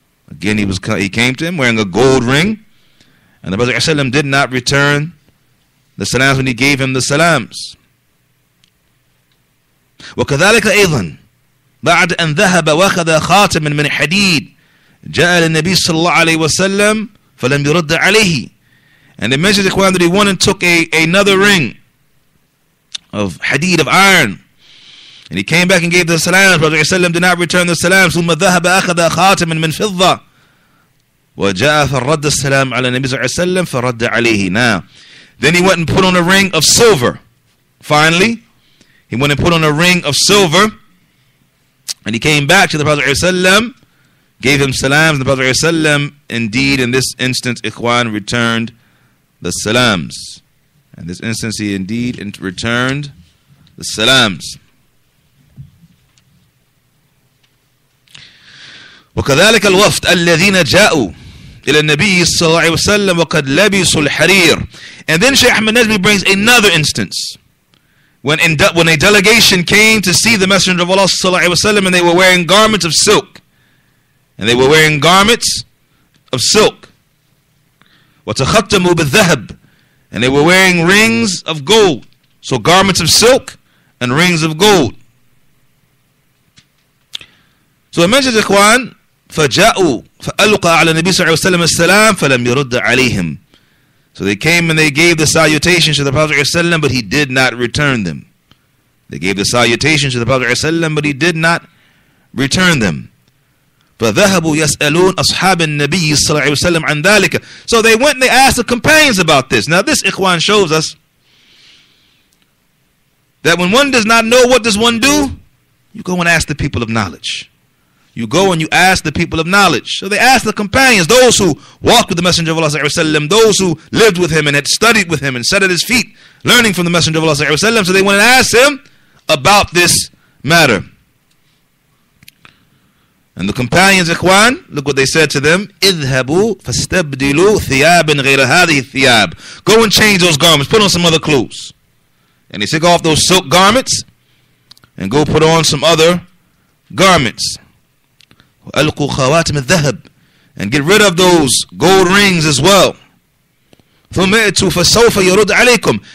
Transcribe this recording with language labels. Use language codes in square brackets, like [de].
[en] Again, he came to him wearing a gold ring, and the Prophet عليه وسلم did not return the salams when he gave him the salams. [ar] وكذلك أيضا بعد أن ذهب وأخذ خاتما من حديد جاء للنبي صلى الله عليه وسلم فلم يرد عليه. [en] And it mentions the Quran that he went and took another ring of hadith, of iron. And he came back and gave the salam. The Prophet ﷺ did not return the salam. [ar] ثم ذهب أخذ خاتما من فضة وجاء فرد السلام على النبي صلى الله عليه وسلم فرد عليه. [en] Now, then he went and put on a ring of silver. Finally, he went and put on a ring of silver. And he came back to the Prophet ﷺ, gave him salams. And the Prophet ﷺ, indeed, in this instance, Ikhwan returned the salams. In this instance, he indeed returned the salams. [ar] وكذلك الوفد الذين جاءوا إلى النبي صلى الله عليه وسلم وقد لبسوا الحرير. [en] And then Shaykh Ahmed Najmi brings another instance when a delegation came to see the Messenger of Allah صلى الله عليه وسلم, and they were wearing garments of silk. And they were wearing garments of silk. [ar] وتختموا بالذهب, [en] and they were wearing rings of gold. So garments of silk and rings of gold. So it mentions [ar] إخوان فجاءوا فألقى على النبي صلى الله عليه وسلم السلام فلم يرد عليهم. [en] So they came and they gave the salutation to the Prophet ﷺ, but he did not return them. They gave the salutation to the Prophet ﷺ, but he did not return them. [ar] فذهبوا يسألون أصحاب النبي صلى الله عليه وسلم عن ذلك. [en] So they went and they asked the companions about this. Now this, Ikhwan, shows us that when one does not know, what does one do? You go and ask the people of knowledge. You go and you ask the people of knowledge. So they asked the companions, those who walked with the Messenger of Allah صلى الله عليه وسلم, those who lived with him and had studied with him and sat at his feet, learning from the Messenger of Allah صلى الله عليه وسلم. So they went and asked him about this matter. And the companions, Ikhwan, look what they said to them. [ar] اذهبوا فاستبدلوا ثيابا غير هذه الثياب. [en] Go and change those garments. Put on some other clothes. And they took off those silk garments and go put on some other garments. [ar] وألقوا خواتم الذهب. [en] And get rid of those gold rings as well. [ar] ثم ائتوا فسوف يرد عليكم.